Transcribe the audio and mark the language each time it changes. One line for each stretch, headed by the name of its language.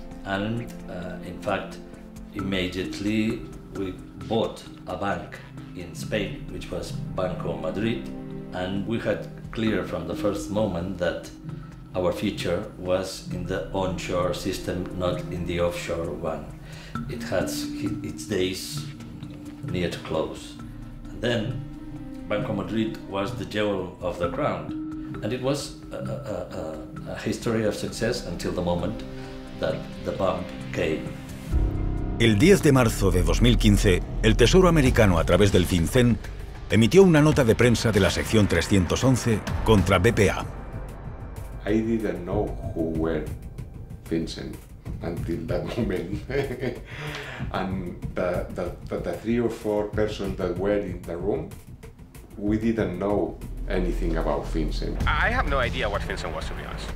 English: And in fact, immediately we bought a bank in Spain, which was Banco Madrid, and we had clear from the first moment that our future was in the onshore system, not in the offshore one. It had its days near to close. And then Banco Madrid was the jewel of the crown, and it was a history of success until the moment that the bump came.
Spanish: El 10 de marzo de 2015, el Tesoro americano, a través del FinCEN, emitió una nota de prensa de la sección 311 contra BPA.
English: I didn't know who were FinCEN until that moment. And the three or four persons that were in the room, we didn't know anything about FinCEN. I have no idea what FinCEN was, to be honest.